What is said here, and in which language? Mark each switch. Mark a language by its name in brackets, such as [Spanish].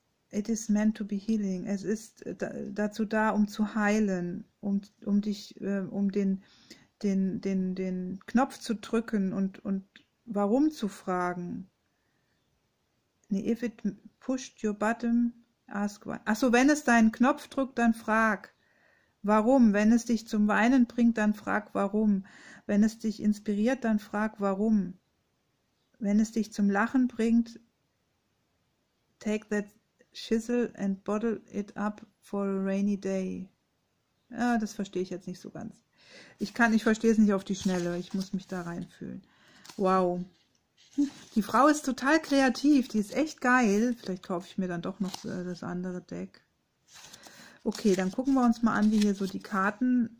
[English] It is meant to be healing. [German] Es ist dazu da, um zu heilen, um dich, um den Knopf zu drücken und warum zu fragen. [English] Nee, if it pushed your button, ask why. [German] Ach so, wenn es deinen Knopf drückt, dann frag, warum. Wenn es dich zum Weinen bringt, dann frag, warum. Wenn es dich inspiriert, dann frag, warum. Wenn es dich zum Lachen bringt, [English] take that. Chisel and bottle it up for a rainy day. [German] Ja, das verstehe ich jetzt nicht so ganz. Ich verstehe es nicht auf die Schnelle. Ich muss mich da reinfühlen. Wow. Die Frau ist total kreativ. Die ist echt geil. Vielleicht kaufe ich mir dann doch noch das andere Deck. Okay, dann gucken wir uns mal an, wie hier so die Karten.